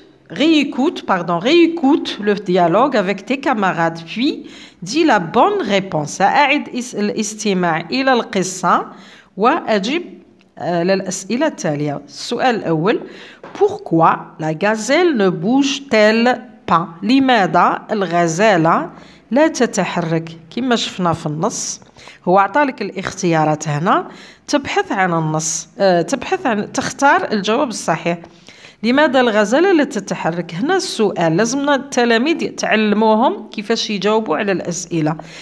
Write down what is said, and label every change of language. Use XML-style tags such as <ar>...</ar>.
<fr>Réécoute le dialogue avec tes camarades puis dis la bonne réponse.</fr> <ar>أعد الاستماع إلى القصة وأجب للأسئلة التالية. السؤال الأول.</ar> <fr>Pourquoi la gazelle ne bouge-t-elle pas?</fr> <ar>لماذا الغزالة لا تتحرك؟ كما شفنا في النص هو عطالك الاختيارات. هنا تبحث عن النص تبحث عن تختار الجواب الصحيح. لماذا الغزالة لا تتحرك؟ هنا السؤال لازمنا التلاميذ تعلموهم كيفاش يجاوبوا على الأسئلة.</ar>